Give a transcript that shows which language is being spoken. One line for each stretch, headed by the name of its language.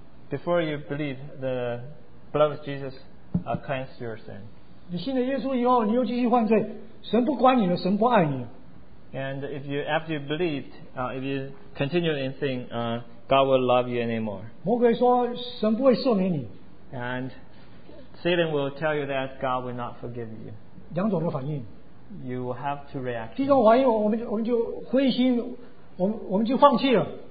English: Before you believe, the blood of Jesus cleansed your sin.
Chinese: 你信了耶稣以后，你又继续犯罪，神不管你了，神不爱你。
English: And if you after you believed, if you continue in sin, God will love you anymore.
Chinese: 魔鬼说神不会赦免你。
English: And Satan will tell you that God will not forgive you.
Chinese: 两种的反应。
English: You will have to react.
Chinese: 第一种反应，我们就灰心，我们就放弃了。